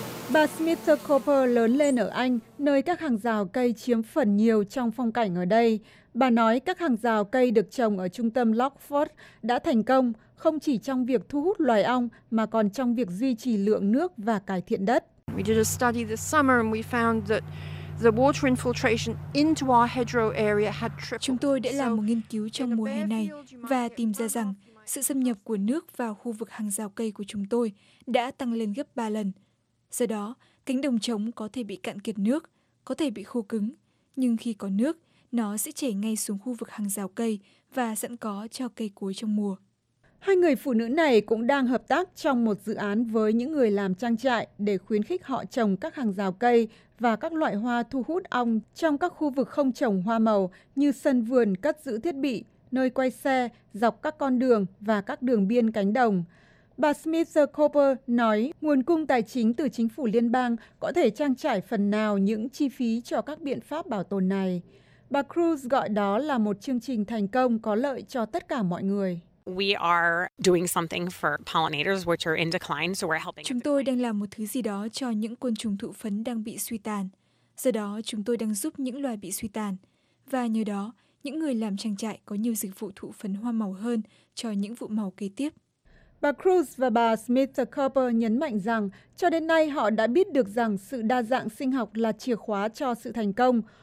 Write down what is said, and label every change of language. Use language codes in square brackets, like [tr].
[vi] Bà Smither-Cooper lớn lên ở Anh, nơi các hàng rào cây chiếm phần nhiều trong phong cảnh ở đây. Bà nói các hàng rào cây được trồng ở trung tâm Lockford đã thành công không chỉ trong việc thu hút loài ong mà còn trong việc duy trì lượng nước và cải thiện đất. [en] We did a study this summer and we found that the water infiltration into our hedgerow area had tripled. [vi] Chúng tôi đã làm một nghiên cứu trong mùa hè này và tìm ra rằng sự xâm nhập của nước vào khu vực hàng rào cây của chúng tôi đã tăng lên gấp 3 lần. Do đó, cánh đồng trống có thể bị cạn kiệt nước, có thể bị khô cứng, nhưng khi có nước, nó sẽ chảy ngay xuống khu vực hàng rào cây và sẵn có cho cây cối trong mùa. Hai người phụ nữ này cũng đang hợp tác trong một dự án với những người làm trang trại để khuyến khích họ trồng các hàng rào cây và các loại hoa thu hút ong trong các khu vực không trồng hoa màu như sân vườn cất giữ thiết bị, nơi quay xe, dọc các con đường và các đường biên cánh đồng. Bà Smither-Cooper nói nguồn cung tài chính từ chính phủ liên bang có thể trang trải phần nào những chi phí cho các biện pháp bảo tồn này. Bà Cruz gọi đó là một chương trình thành công có lợi cho tất cả mọi người. [en] We are doing something for pollinators which are in decline, so we're helping. [vi] Chúng tôi đang làm một thứ gì đó cho những côn trùng thụ phấn đang bị suy tàn. Do đó, chúng tôi đang giúp những loài bị suy tàn. Và nhờ đó, những người làm trang trại có nhiều dịch vụ thụ phấn hoa màu hơn cho những vụ màu kế tiếp. Bà Cruz và bà Smither-Cooper nhấn mạnh rằng, cho đến nay họ đã biết được rằng sự đa dạng sinh học là chìa khóa cho sự thành công.